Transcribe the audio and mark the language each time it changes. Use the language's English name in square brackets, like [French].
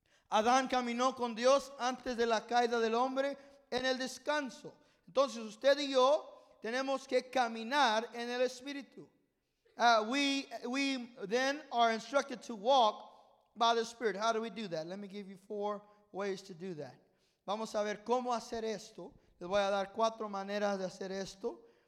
[Spanish] Adán caminó con Dios antes de la caída del hombre en el descanso. Entonces usted y yo tenemos que caminar en el Espíritu. [English] We then are instructed to walk by the Spirit. How do we do that? Let me give you four ways to do that. [Spanish] Vamos a ver cómo hacer esto. Les voy a dar cuatro maneras de hacer esto.